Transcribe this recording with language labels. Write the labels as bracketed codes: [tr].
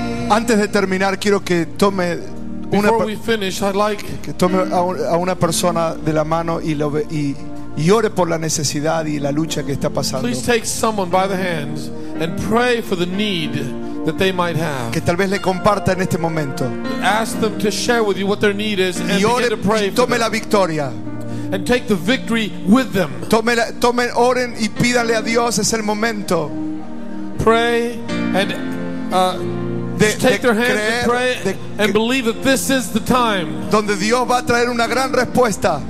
[es] Antes de terminar, quiero que tome una, que tome a una persona de la mano y, lo ve, y ore por la necesidad y la lucha que está pasando. [en] Please take someone by the hands and pray for the need that they might have. [es] Que tal vez le comparta en este momento. [en] Ask them to share with you what their need is and [es] y ore, [en] begin to pray [es] y tome [en] for [es] la victoria. [en] And take the victory with them. [es] Tome, oren y pídale a Dios, es el momento. [en] Pray and just take their hands [es] creer, [en] and pray and believe that this is the time [es] donde Dios va a traer una gran respuesta.